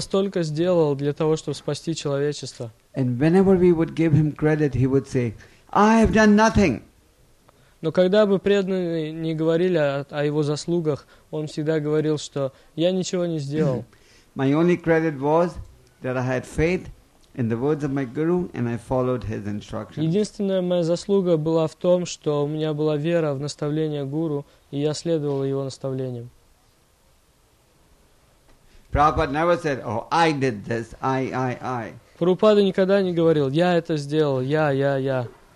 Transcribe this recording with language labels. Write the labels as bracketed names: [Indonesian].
[Russian] столько сделал для того, чтобы спасти человечество. [English] And whenever we would give him credit, he would say, "I have done nothing." [Russian] Но когда бы преданные не говорили о его заслугах, он всегда говорил, что я ничего не сделал. [English] My only credit was that I had faith in the words of my guru and I followed his instructions. [Russian] Единственная моя заслуга была в том, что у меня была вера в наставления гуру, и я следовал его наставлениям. [English] Prabhupada never said, "Oh, I did this, I." [Russian] Прабхупада никогда не говорил, я это сделал, я.